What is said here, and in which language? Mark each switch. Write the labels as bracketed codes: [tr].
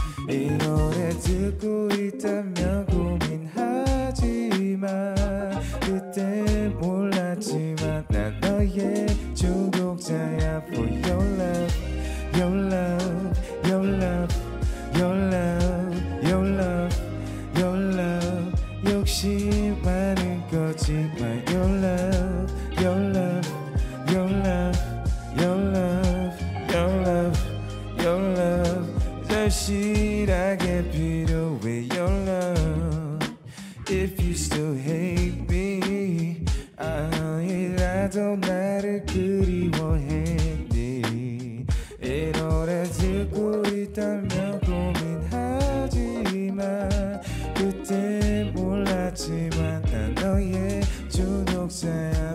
[ko] 이 노래 듣고 있다면 고민하지 마. 그때 몰랐지만 난 너의 중독자야. [en] For your love, your love, your love, your love, your love, your love. [ko] 욕심 많은 거짓말. [en] Your love, your love, your love. Your love, your love, your love. [ko] 절실하게 필요해. [en] Your love. If you still hate me, [ko] 아니라도 나를 그리워해. 네. 이 노래 듣고 있다면 고민하지 마. 그때 몰랐지만 난 너의 중독자야.